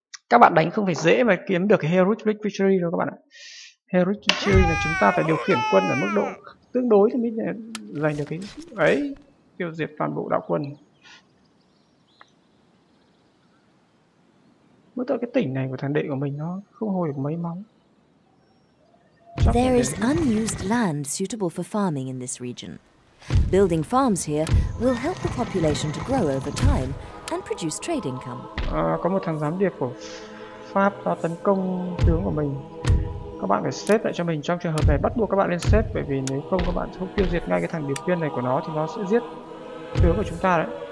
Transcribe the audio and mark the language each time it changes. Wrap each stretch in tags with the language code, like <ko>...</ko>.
<vi>Các bạn đánh không phải dễ mà kiếm được Heroic Victory đâu các bạn ạ. Heroic Victory là chúng ta phải điều khiển quân ở mức độ tương đối thì mới giành được cái ấy, tiêu diệt toàn bộ đạo quân. Mới tới cái tỉnh này của thằng đệ của mình nó không hồi được mấy máu.</vi> <en>There is unused land suitable for farming in this region. Building farms here will help the population to grow over time and produce trade income.</en> <vi>À, có một thằng gián điệp của Pháp đã tấn công tướng của mình. Các bạn phải xếp lại cho mình trong trường hợp này, bắt buộc các bạn lên xếp, bởi vì nếu không các bạn không tiêu diệt ngay cái thằng điệp viên này của nó thì nó sẽ giết tướng của chúng ta đấy.</vi>